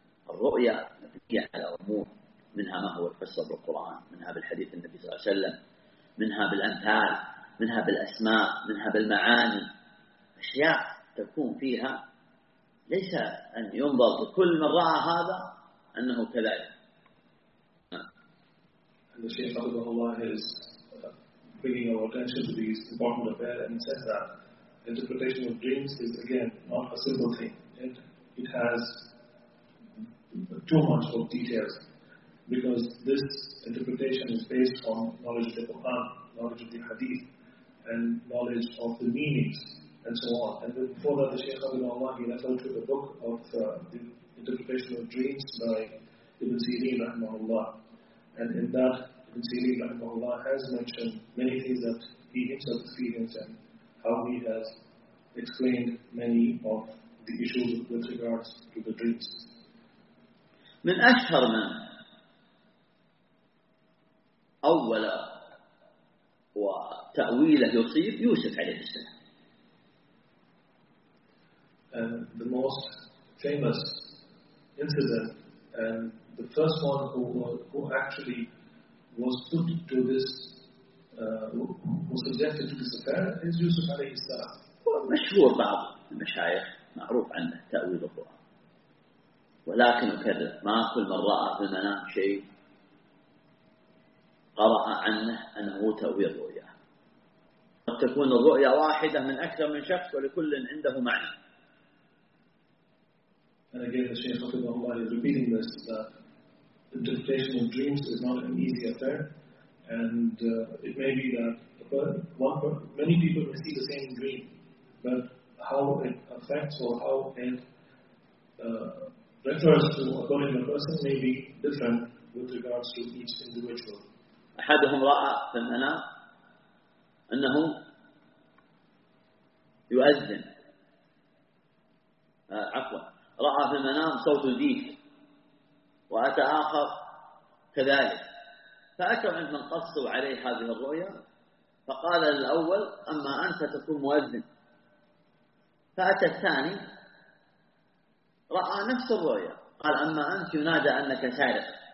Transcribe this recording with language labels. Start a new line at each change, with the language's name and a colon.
Arabic: الرؤيا مبنية على أمور، منها ما هو الفسر بالقرآن، منها بالحديث النبي صلى الله عليه وسلم، منها بالأمثال، منها بالأسماء، منها بالمعاني، أشياء تكون فيها، ليس أن ينظر كل من رأى هذا أنه كذلك.
English: And the Shaykh Abdullah Allah is bringing our attention to these important affairs, and he says that interpretation of dreams is again not a simple thing. It has too much of details, because this interpretation is based on knowledge of the Quran, knowledge of the Hadith, and knowledge of the meanings, and so on. And before that, the Shaykh Abdullah Allah, he referred to the book of the interpretation of dreams by Ibn Sirin rahimahullah. And in that, Ibn Sirin rahimahullah has mentioned many things that he himself experienced and how he has explained many of the issues with regards to the dreams.
Arabic: من أشهر من أول وتأويله يصيب يوسف عليه السلام.
English: And the most famous incident and the first one who actually was put to this was subjected to this affair is Yusuf
Arabic: عليه السلام. مشهور بعض المشايخ معروف عنه تأويل القرآن. ولكن أكرر ما كل من رأى في المنام شيء قرأ عنه أنه تأويل الرؤيا. قد تكون الرؤيا واحدة من أكثر من شخص ولكل عنده معنى.
English: And again, the Shaykh of Allah is repeating this, that interpretation of dreams is not an easy affair, and it may be that many people may see the same dream, but how it affects or how it refers to a particular person may be different with regards to each individual.
Arabic: أحدهم رأى في المنام أنه يؤذن. عفوا. رأى في المنام صوت ديك، وأتى آخر كذلك، فأكرم من قصوا عليه هذه الرؤيا، فقال الأول أما أنت تكون مؤذن، فأتى الثاني رأى نفس الرؤيا، قال أما أنت ينادى أنك سارق،